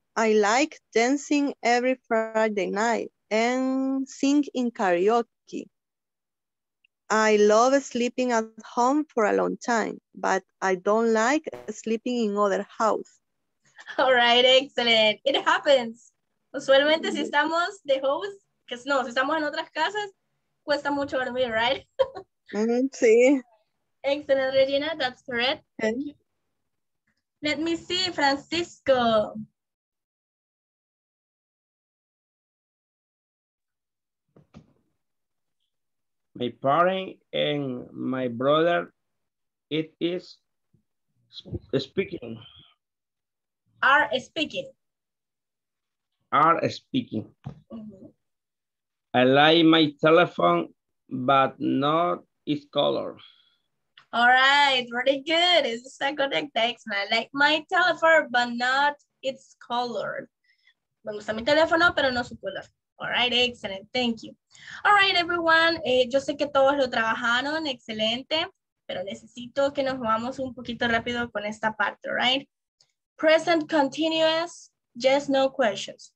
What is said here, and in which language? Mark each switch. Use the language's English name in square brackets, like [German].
[English] I like dancing every Friday night and sing in karaoke. I love sleeping at home for a long time, but I don't like sleeping in other house. All right, excellent. It happens. [Spanish] Usualmente si estamos de host, que no, si estamos en otras casas, cuesta mucho dormir, [English] right? [Spanish] Sí. [English] Excellent, Regina, that's correct. Okay. Let me see, Francisco. My parents and my brother, it is speaking. Are speaking. Are speaking. Mm-hmm. I like my telephone, but not its color. All right, really good. It's a second text. I like my telephone, but not its color. [Spanish] Me gusta mi teléfono, pero no su color. [English] All right, excellent. Thank you. All right, everyone. [Spanish] Yo sé que todos lo trabajaron. Excelente. Pero necesito que nos movamos un poquito rápido con esta parte, [English] all right? Present continuous. Yes, no questions.